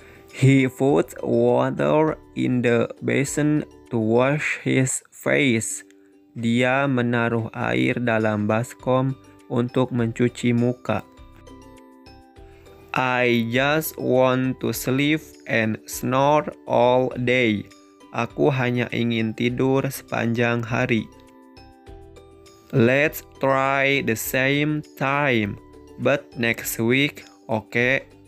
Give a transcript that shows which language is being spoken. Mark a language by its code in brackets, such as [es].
[en] He put water in the basin to wash his face. [id] Dia menaruh air dalam baskom untuk mencuci muka. [en] I just want to sleep and snore all day. [id] Aku hanya ingin tidur sepanjang hari. [en] Let's try the same time, but next week, okay?